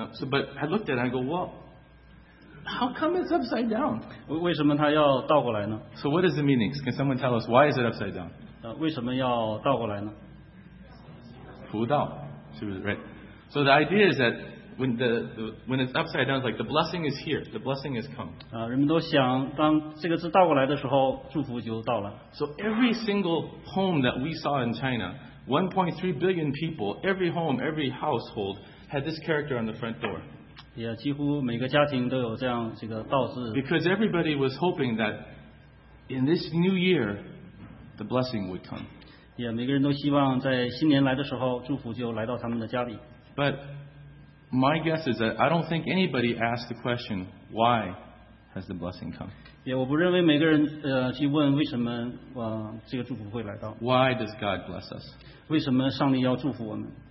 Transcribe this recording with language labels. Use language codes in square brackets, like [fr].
[en] But I looked at it and I go, well, how come it's upside down? [zh] 为什么它要倒过来呢? [en] So what is the meaning? Can someone tell us why is it upside down? [zh] 为什么要倒过来呢? [en] 福道, she was right. So the idea is that When it's upside down, it's like the blessing is here, the blessing has come. [zh] 人们都想当这个字倒过来的时候，祝福就到了。 [en] So every single home that we saw in China, 1.3 billion people, every home, every household had this character on the front door. [zh] Yeah, 几乎每个家庭都有这样这个倒字。 [en] Because everybody was hoping that in this new year, the blessing would come. [zh] Yeah, 每个人都希望在新年来的时候，祝福就来到他们的家里。 [en] But My guess is that I don't think anybody asked the question, why has the blessing come? [zh] Yeah, 我不认为每个人去问为什么这个祝福会来到。 [en] Why does God bless us? [zh] 为什么上帝要祝福我们？